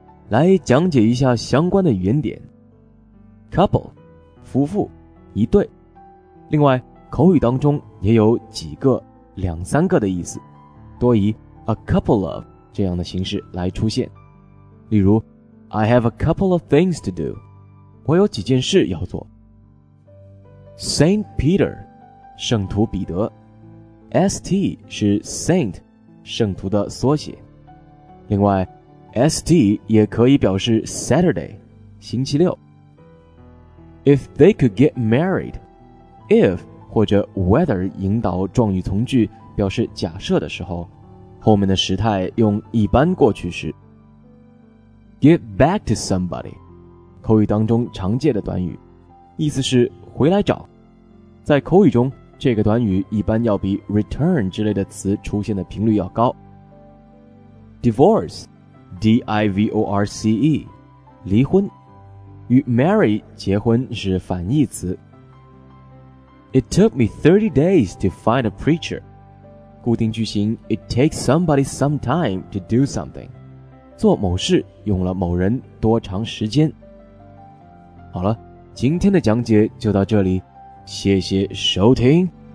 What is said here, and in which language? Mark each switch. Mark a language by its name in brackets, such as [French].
[Chinese] 来讲解一下相关的语言点。Couple, 夫妇，一对。另外，口语当中也有几个、两三个的意思，多以 [English] a couple of [Chinese] 这样的形式来出现。例如 [English] ，I have a couple of things to do. [Chinese] 我有几件事要做。 Saint Peter, 圣徒彼得。St 是 Saint, 圣徒的缩写。另外 ,ST 也可以表示 Saturday, 星期六。 [English] If they could get married, [Chinese] if 或者 whether 引导状语从句表示假设的时候，后面的时态用一般过去时。 [English] Get back to somebody, [Chinese] 口语当中常见的短语，意思是回来找。在口语中，这个短语一般要比 return 之类的词出现的频率要高。 Divorce, D-I-V-O-R-C-E, 离婚，与 marry 结婚是反义词。 [English] It took me 30 days to find a preacher. [Chinese] 固定句型 [English] It takes somebody some time to do something. [Chinese] 做某事用了某人多长时间。好了，今天的讲解就到这里，谢谢收听。